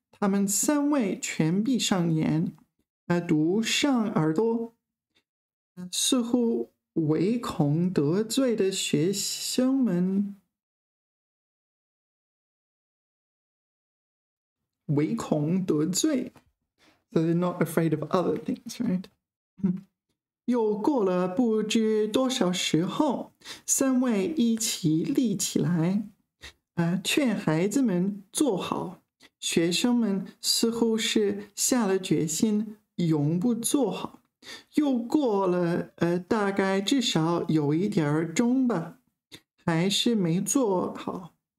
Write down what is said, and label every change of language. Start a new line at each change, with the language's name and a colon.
Chinese: 他们三位全闭上眼，堵上耳朵，似乎唯恐得罪的学生们，唯恐得罪。
English: So they're not afraid of other things, right?
Chinese: 又过了不知多少时候，三位一起立起来，劝孩子们坐好。学生们似乎是下了决心，永不坐好。又过了大概至少有一点钟吧，还是没坐好。